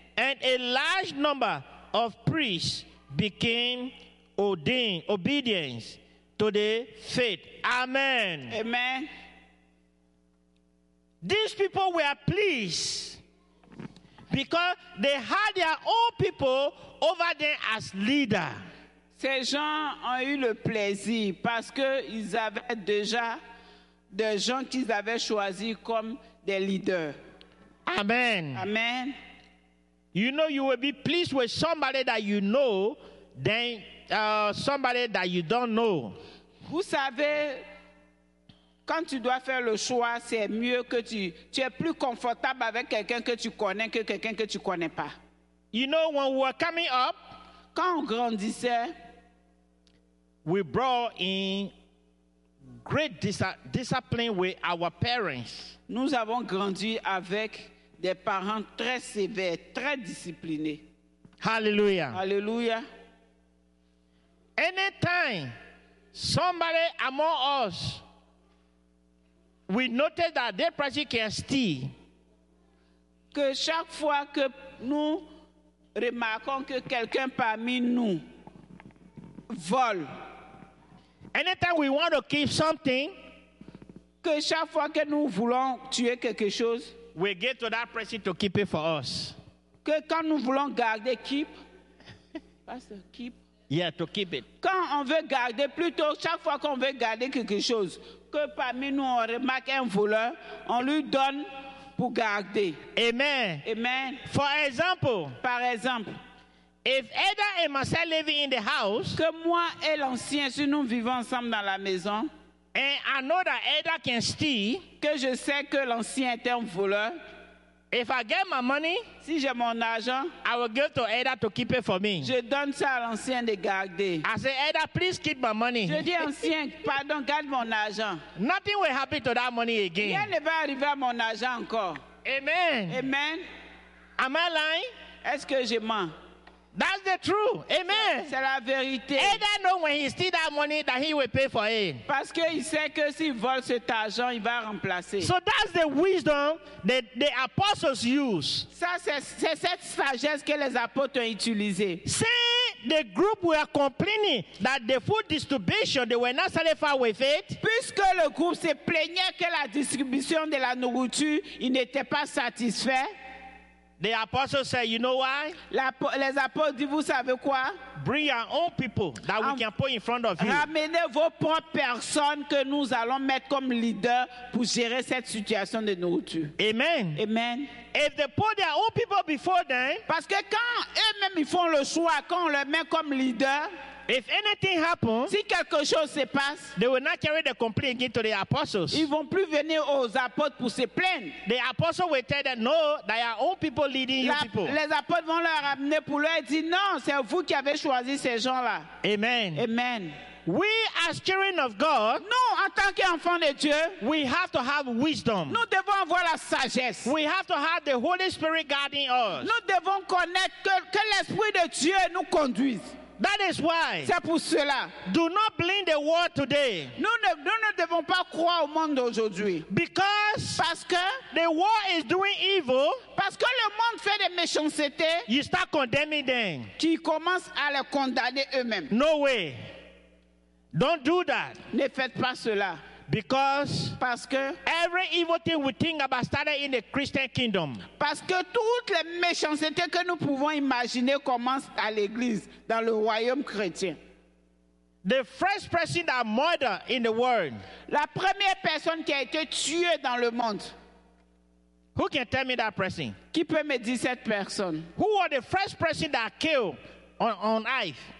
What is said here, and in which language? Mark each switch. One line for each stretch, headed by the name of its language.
English: And a large number of priests became obedient to the faith. Amen. Amen. These people were pleased because they had their own people over them as leader.
French: Ces gens ont eu le plaisir parce qu'ils avaient déjà des gens qu'ils avaient choisis comme des leaders. Amen. Amen.
English: You know, you will be pleased with somebody that you know than somebody that you don't know.
French: Vous savez, quand tu dois faire le choix, c'est mieux que tu es plus confortable avec quelqu'un que tu connais que quelqu'un que tu connais pas.
English: You know, when we were coming up,
French: quand on grandissait,
English: we brought in great discipline with our parents.
French: Nous avons grandi avec des parents très sévères, très disciplinés. Hallelujah. Hallelujah.
English: Anytime somebody among us, we noticed that they practice steal.
French: Que chaque fois que nous remarquons que quelqu'un parmi nous vole,
English: anytime we want to keep something,
French: que chaque fois que nous voulons tuer quelque chose,
English: we get to that person to keep it for us.
French: Que quand nous voulons garder
English: keep, pastor keep, Yeah, to keep it.
French: Quand on veut garder, plutôt chaque fois qu'on veut garder quelque chose, que parmi nous on remarque un voleur, on lui donne pour garder. Amen. Amen.
English: For example.
French: Par exemple.
English: If Ada and myself live in the house.
French: Que moi et l'ancien, si nous vivons ensemble dans la maison.
English: And I know that Ada can steal.
French: Que je sais que l'ancien est un voleur.
English: If I get my money,
French: si j'ai mon argent,
English: I will give to Ada to keep it for me.
French: Je donne ça à l'ancien de garder.
English: I say, Ada, please keep my money.
French: Je dis ancien, pardon, garde mon argent.
English: Nothing will happen to that money again.
French: Rien ne va arriver à mon argent encore. Amen. Amen.
English: Am I lying?
French: Est-ce que je mens?
English: That's the truth. Amen.
French: C'est la vérité.
English: Ada knows when he steals that money that he will pay for it.
French: Parce que il sait que s'il vole cet argent, il va remplacer.
English: So that's the wisdom that the apostles use.
French: Ça, c'est cette sagesse que les apôtres ont utilisée.
English: See, the group were complaining that the food distribution, they were not satisfied with it.
French: Puisque le groupe se plaignait que la distribution de la nourriture, il n'était pas satisfait.
English: The apostles say, you know why?
French: Les apôtres disent, vous savez quoi?
English: Bring your own people that we can put in front of you.
French: Ramenez vos propres personnes que nous allons mettre comme leaders pour gérer cette situation de nourriture. Amen. Amen.
English: If they put their own people before them,
French: parce que quand eux-mêmes ils font le choix, quand on les met comme leaders,
English: if anything happens,
French: si quelque chose se passe,
English: they will not carry the complaint again to the apostles.
French: Ils vont plus venir aux apôtres pour se plaindre.
English: The apostles will tell them, no, that your own people leading you people.
French: Les apôtres vont leur ramener pour leur dire, non, c'est vous qui avez choisi ces gens-là. Amen. Amen.
English: We as children of God,
French: nous, en tant qu'enfants de Dieu,
English: we have to have wisdom.
French: Nous devons avoir la sagesse.
English: We have to have the Holy Spirit guiding us.
French: Nous devons connaître que l'Esprit de Dieu nous conduise.
English: That is why.
French: C'est pour cela.
English: Do not blame the world today.
French: Nous ne devons pas croire au monde aujourd'hui.
English: Because.
French: Parce que.
English: The world is doing evil.
French: Parce que le monde fait des méchancetés.
English: You start condemning them.
French: Qui commence à les condamner eux-mêmes.
English: No way. Don't do that.
French: Ne faites pas cela.
English: Because.
French: Parce que.
English: Every evil thing we think about started in the Christian kingdom.
French: Parce que toutes les méchancetés que nous pouvons imaginer commencent à l'église. Dans le royaume chrétien.
English: The first person that murdered in the world.
French: La première personne qui a été tuée dans le monde.
English: Who can tell me that person?
French: Qui peut me dire cette personne?
English: Who was the first person that killed on earth?